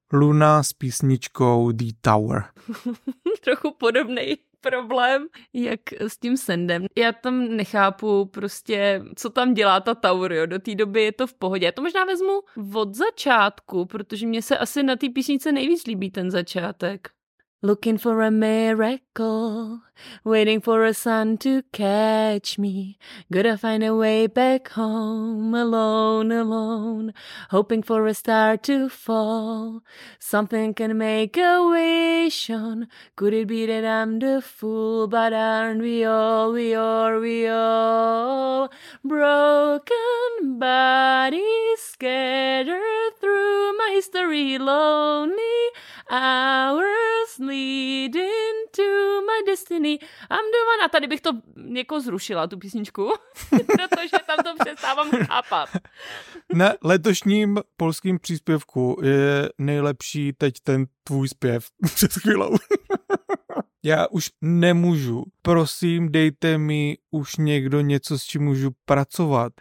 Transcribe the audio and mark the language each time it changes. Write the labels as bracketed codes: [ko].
[cs] Luna s písničkou The Tower. Trochu podobný problém, jak s tím Sandem. Já tam nechápu prostě, co tam dělá ta Tower, jo. Do té doby je to v pohodě. Já to možná vezmu od začátku, protože mně se asi na té písnice nejvíc líbí ten začátek. [en] Looking for a miracle, waiting for a sun to catch me, gotta find a way back home, alone, alone, hoping for a star to fall, something can make a wish on, could it be that I'm the fool, but aren't we all, broken bodies scattered through my history, lonely hours leading to my destiny. I'm the one. [cs] A tady bych to jako zrušila, tu písničku, protože tam to přestávám chápat. Na letošním polském příspěvku je nejlepší teď ten tvůj zpěv před chvílou. Já už nemůžu. Prosím, dejte mi už někdo něco, s čím můžu pracovat.